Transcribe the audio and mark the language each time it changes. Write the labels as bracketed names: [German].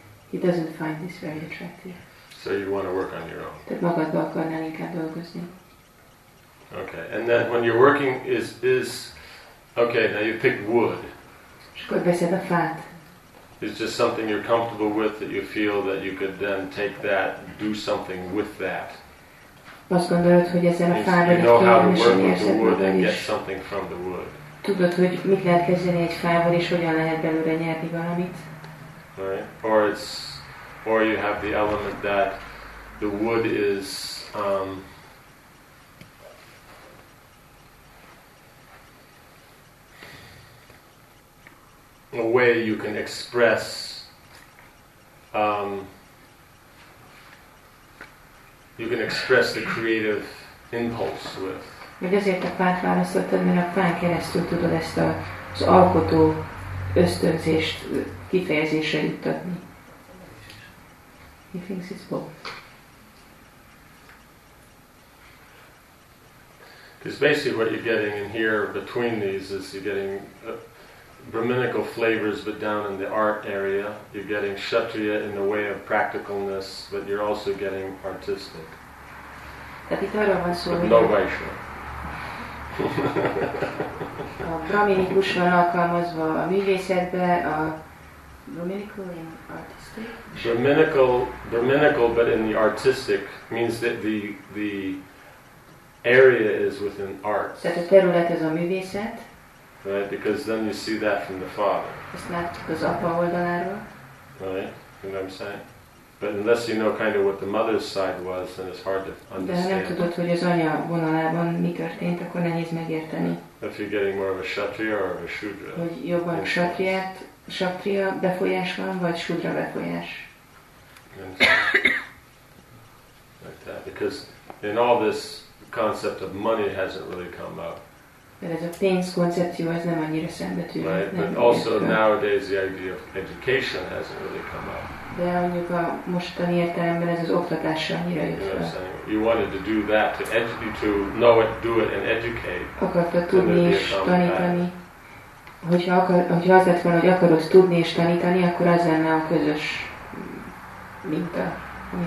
[English] He doesn't find this very attractive. So you want to work on your own. [Hungarian] Tehát magadba akarnál inkább dolgozni. [English] Okay, and then when you're working is okay, now you pick wood. [Hungarian] És akkor veszed a fát. [English] It's just something you're comfortable with that you feel that you could then take that, do something with that. [Hungarian] Azt gondolod, hogy ezzel a fával egy különösen érzed magad is. Tudod, hogy mit lehet kezdeni egy fával, és hogyan lehet belőle nyerni valamit. [English] Right? Or it's, or you have the element that the wood is, a way you can express, you can express the creative impulse with. [Hungarian] Vagy azért a fát választottad, mert a fán keresztül tudod ezt az alkotó ösztönzést kifejezésre juttatni. [English] He thinks it's both. Because basically what you're getting in here between these is you're getting Brahminical flavors, but down in the art area, you're getting Kshatriya in the way of practicalness, but you're also getting artistic. [Hungarian] Tehát itt arra van szó, [English] but no Vaishya. [Hungarian] A brahminikus van alkalmazva a művészetbe, [English] a brahminical in artistic? Brahminical, but in the artistic means that the area is within art. [Hungarian] Tehát a terület ez a művészet. [English] Right, because then you see that from the father. It's not because of the oldalára. Right, you know what I'm saying? But unless you know kind of what the mother's side was, then it's hard to understand. [Hungarian] De ha nem tudod, hogy az anya vonalában mi történt, akkor nehéz megérteni. [English] If you're getting more of a kshatriya or a shudra. [Hungarian] Hogy jobban kshatriya befolyás van, vagy shudra befolyás. [English] Like that, because in all this concept of money hasn't really come up. [Hungarian] Mert ez a pénz koncepció, ez nem annyira szembe tűnő. [English] Right, but also nowadays the idea of education hasn't really come up. [Hungarian] De mondjuk a mostani értelemben ez az oktatás sem annyira jött fel. [English] You wanted to do that, to know it, do it and educate. [Hungarian] Akartad tudni és tanítani. Hogyha az lett volna, hogy akarod tudni és tanítani, akkor az lenne a közös minta, ami